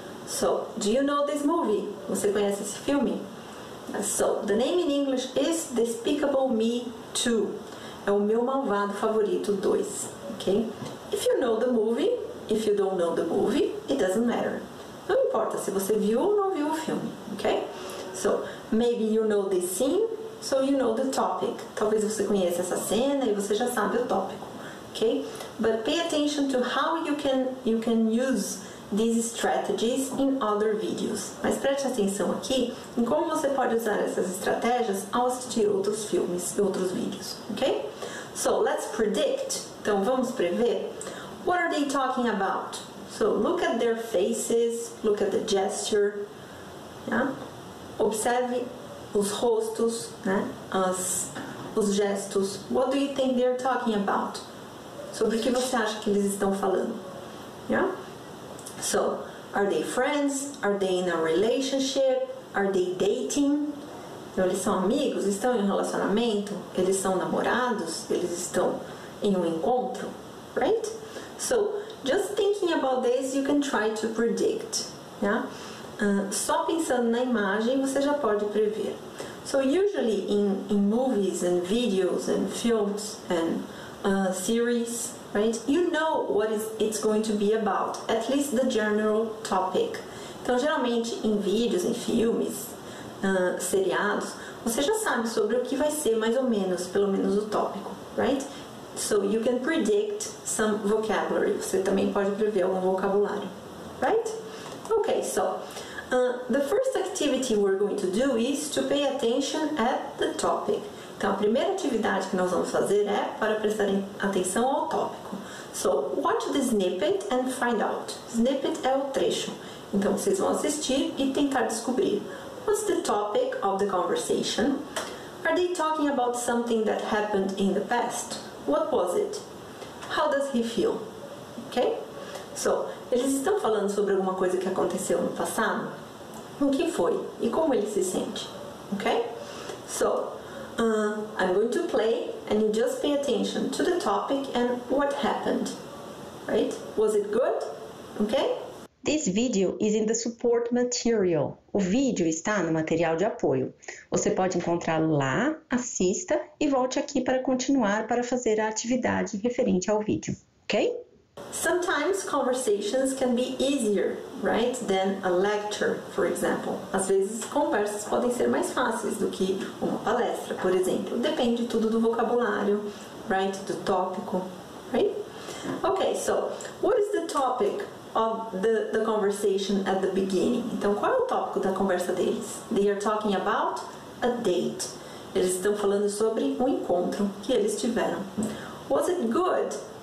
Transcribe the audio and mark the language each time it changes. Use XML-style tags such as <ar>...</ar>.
<en>So, do you know this movie?</en> <pt>Você conhece esse filme?</pt> <en>So, the name in English is Despicable Me 2.</en> <pt>É o meu malvado favorito 2, okay?</pt> <en>If you know the movie, if you don't know the movie, it doesn't matter.</en> <pt>Não importa se você viu ou não viu o filme, okay?</pt> <en>So, maybe you know this scene, so you know the topic.</en> <pt>Talvez você conheça essa cena e você já sabe o tópico, okay?</pt> <en>But pay attention to how you can use these strategies in other videos.</en> <pt>Mas preste atenção aqui em como você pode usar essas estratégias ao assistir outros filmes e outros vídeos, okay?</pt> <en>So, let's predict.</en> <pt>Então, vamos prever.</pt> <en>What are they talking about? So, look at their faces, look at the gesture, yeah?</en> <pt>Observe os rostos, né? Os gestos.</pt> <en>What do you think they're talking about?</en> <pt>Sobre o que você acha que eles estão falando?</pt> <en>Yeah? So, are they friends? Are they in a relationship? Are they dating?</en> <pt>Então, eles são amigos? Estão em um relacionamento? Eles são namorados? Eles estão em um encontro?</pt> <en>Right? So, just thinking about this, you can try to predict. Yeah?</en> <pt>Só pensando na imagem, você já pode prever.</pt> <en>So, usually in movies and videos and films and series, right? You know what it's going to be about, at least the general topic.</en> <pt>Então, geralmente, em vídeos, em filmes, seriados, você já sabe sobre o que vai ser mais ou menos, pelo menos o tópico, right?</pt> <en>So, you can predict some vocabulary.</en> <pt>Você também pode prever algum vocabulário,</pt> <en>right? Okay, so, the first activity we're going to do is to pay attention at the topic.</en> <pt>Então, a primeira atividade que nós vamos fazer é para prestar atenção ao tópico.</pt> <en>So, watch the snippet and find out.</en> <pt>Snippet é o trecho. Então, vocês vão assistir e tentar descobrir.</pt> <en>What's the topic of the conversation? Are they talking about something that happened in the past? What was it? How does he feel? Okay?</en> <pt>So, eles estão falando sobre alguma coisa que aconteceu no passado? O que foi? E como ele se sente? Okay?</pt> <en>So, I'm going to play and you just pay attention to the topic and what happened. Right? Was it good? Okay? This video is in the support material.</en> <pt>O vídeo está no material de apoio. Você pode encontrá-lo lá, assista e volte aqui para continuar para fazer a atividade referente ao vídeo. Ok?</pt> <en>Sometimes conversations can be easier, right, than a lecture, for example.</en> <pt>Às vezes, conversas podem ser mais fáceis do que uma palestra, por exemplo. Depende tudo do vocabulário,</pt> <en>right, do tópico, right? Okay, so, what is the topic of the conversation at the beginning?</en> <pt>Então, qual é o tópico da conversa deles?</pt> <en>They are talking about a date.</en> <pt>Eles estão falando sobre um encontro que eles tiveram.</pt> <en>Was it good?</en>